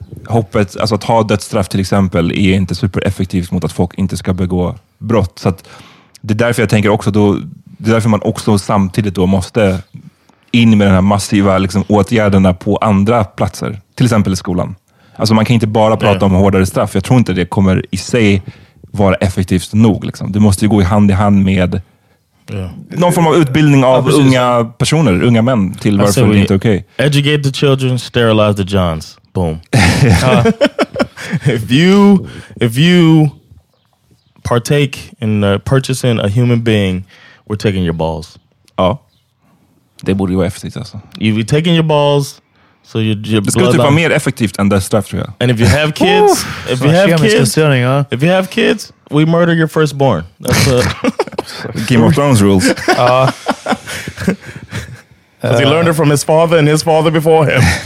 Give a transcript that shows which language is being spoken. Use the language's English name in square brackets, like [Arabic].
[Swedish] Hoppet, alltså att ha dödsstraff till exempel är inte supereffektivt mot att folk inte ska begå brott, så att det är därför jag tänker också då, det är därför man också samtidigt då måste in med den här massiva liksom åtgärderna på andra platser, till exempel i skolan. Alltså man kan inte bara prata om hårdare straff. Jag tror inte det kommer i sig vara effektivt nog. Liksom. Det måste ju gå i hand med någon form av utbildning av unga personer, unga män, till varför det inte är okej. [English] Okay. Educate the children, sterilize the Johns. Boom. if you partake in purchasing a human being, we're taking your balls. [Swedish] Ja. Det borde ju vara effektivt alltså. [English] You be taking your balls, so your [Swedish] det skulle typ vara mer effektivt än det straff, tror jag. [English] And if you have kids, if you have kids, if you have kids, we murder your firstborn. That's Game of Thrones rules. Because he learned it from his father and his father before him.